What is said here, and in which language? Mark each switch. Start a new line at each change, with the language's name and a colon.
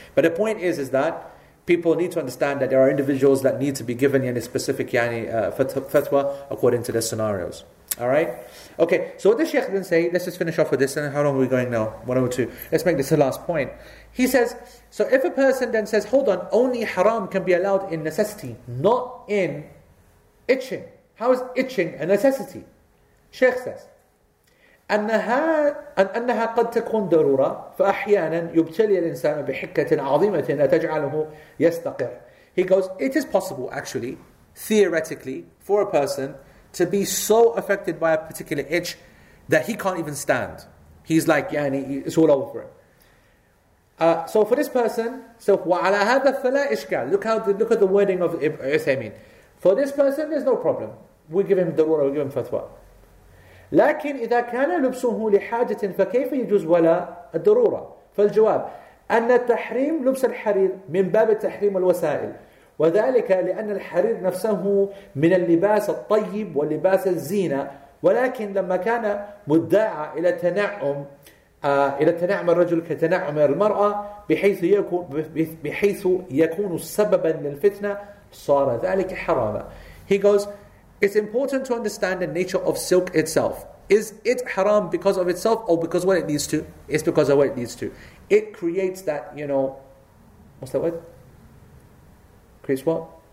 English: But the point is that people need to understand that there are individuals that need to be given yani specific yani fatwa according to their scenarios. Alright? Okay, so what does Shaykh then say? Let's just finish off with this. And how long are we going now? 102. Let's make this the last point. He says, so if a person then says, hold on, only haram can be allowed in necessity, not in itching. How is itching a necessity? Shaykh says,
Arabic: أنها قد تكون ضرورة فأحيانا يبتلي الإنسان بحكة عظيمة تجعله يستقر.
English: He goes, it is possible actually, theoretically, for a person to be so affected by a particular itch that he can't even stand. He's like, يعني, it's all over for him. So for this person, so
Arabic: وعلى هذا فلا إشكال.
English: Look at the wording of Uthaymeen. For this person, there's no problem. We give him ضرورة, we give him fatwa.
Arabic: لكن إذا كان لبسه لحاجة فكيف يجوز ولا الضرورة؟ فالجواب أن التحريم لبس الحرير من باب تحريم الوسائل وذلك لأن الحرير نفسه من اللباس الطيب واللباس الزينة ولكن لما كان مدعى إلى تنعم الرجل كتنعم المرأة بحيث يكون سببا للفتنة صار ذلك حراما.
English: He goes, it's important to understand the nature of silk itself. Is it haram because of itself or because what it leads to? It's because of what it leads to. It creates that, you know, what's that word? Creates what?